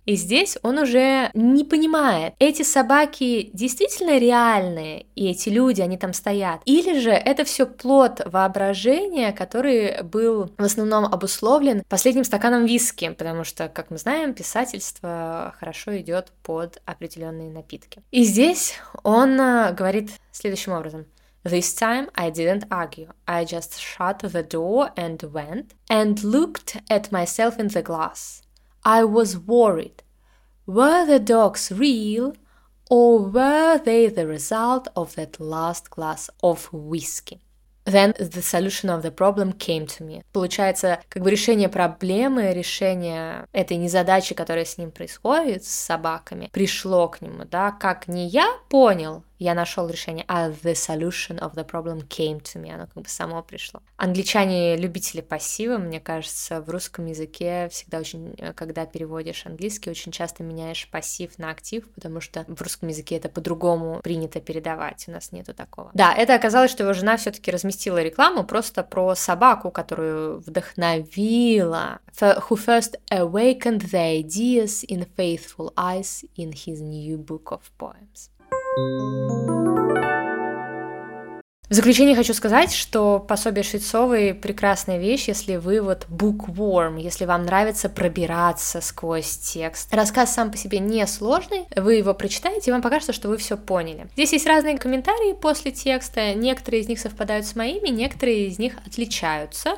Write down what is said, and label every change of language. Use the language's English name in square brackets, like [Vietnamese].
[Russian] И здесь он уже не понимает, эти собаки действительно реальные, и эти люди, они там стоят, или же это все плод воображения, который был в основном обусловлен последним стаканом виски, потому что, как мы знаем, писательство хорошо идет под определенные напитки. И здесь он говорит следующим образом. [English] This time I didn't argue. I just shut the door and went and looked at myself in the glass. I was worried. Were the dogs real or were they the result of that last glass of whiskey? Then the solution of the problem came to me. [Russian] Получается, как бы решение проблемы, решение этой незадачи, которая с ним происходит, с собаками, пришло к нему, да? Как не я понял, я нашел решение, а [English] the solution of the problem came to me. [Russian] Оно как бы само пришло. Англичане любители пассива, мне кажется, в русском языке всегда очень, когда переводишь английский, очень часто меняешь пассив на актив, потому что в русском языке это по-другому принято передавать, у нас нету такого. Да, это оказалось, что его жена все-таки разместила рекламу просто про собаку, которую вдохновила. [English] Who first awakened the ideas in faithful eyes in his new book of poems. [Russian] В заключение хочу сказать, что пособие Швецовой — прекрасная вещь, если вы вот bookworm, если вам нравится пробираться сквозь текст. Рассказ сам по себе не сложный, вы его прочитаете, и вам покажется, что вы все поняли. Здесь есть разные комментарии после текста, некоторые из них совпадают с моими, некоторые из них отличаются.